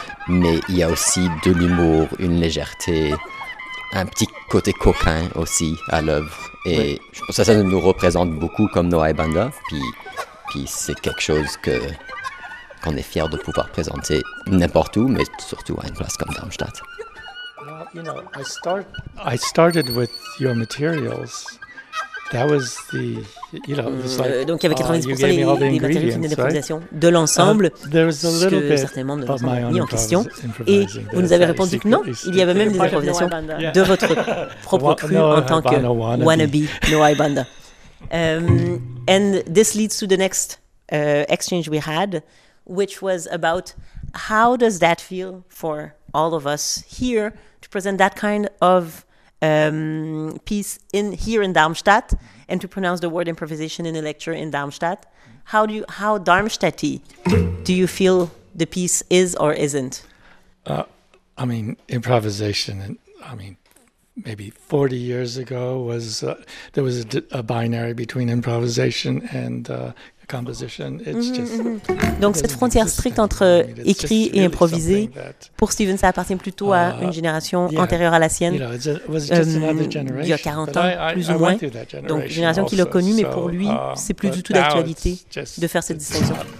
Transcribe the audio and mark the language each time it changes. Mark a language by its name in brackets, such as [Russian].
[French] Mais il y a aussi de l'humour, une légèreté, un petit côté coquin aussi à l'œuvre. Et oui. Je pense que ça nous représente beaucoup comme Noah et Banda, puis c'est quelque chose que... qu'on est fiers de pouvoir présenter n'importe où, mais surtout à une place comme Darmstadt. [English] I started with your materials. That was the, you know, it was like, [French] donc il y avait 90% des matériaux qui venaient d'improvisation, [English] right? [French] De l'ensemble, ce que certains membres nous ont mis en question. Et vous nous avez répondu que non, il y avait même des improvisations de votre propre cru en tant que wannabe Noah et Banda. [English] And this leads to the next exchange we had, which was about how does that feel for all of us here to present that kind of piece in here in Darmstadt and to pronounce the word improvisation in a lecture in Darmstadt. How Darmstadt-y do you feel the piece is or isn't? I mean, improvisation, I mean, maybe 40 years ago was there was a binary between improvisation and composition. It's just, [French] donc cette frontière stricte entre écrit et [English] really [French] improvisé, pour Steven, ça appartient plutôt à une génération antérieure à la sienne, il y a 40 ans, plus ou moins, donc génération qui l'a connue, mais pour lui, c'est plus du tout d'actualité de faire cette distinction.